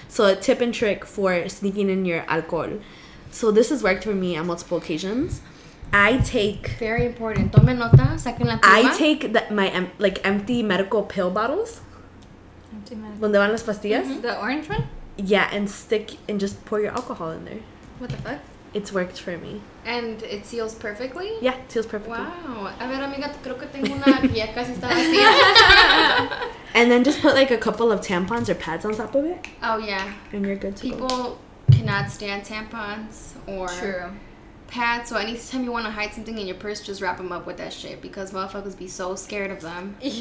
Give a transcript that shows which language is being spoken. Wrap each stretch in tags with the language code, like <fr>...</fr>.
<en>So a tip and trick for sneaking in your alcohol. So this has worked for me on multiple occasions. I take very important.</en> <es>Tome nota. Saquen la pluma.</es> <en>I take my empty medical pill bottles. Empty medical.</en> <es>¿Dónde van las pastillas? Mm-hmm.</es> <en>The orange one. Yeah, and stick and just pour your alcohol in there. What the fuck? It's worked for me. And it seals perfectly? Yeah, it seals perfectly. Wow.</en> <es>A ver, amiga, creo que tengo una guía casi está vacía.</es> <en>And then just put like a couple of tampons or pads on top of it. Oh, yeah. And you're good to People cannot stand tampons or True. Pads. So anytime you want to hide something in your purse, just wrap them up with that shit. Because motherfuckers be so scared of them.</en>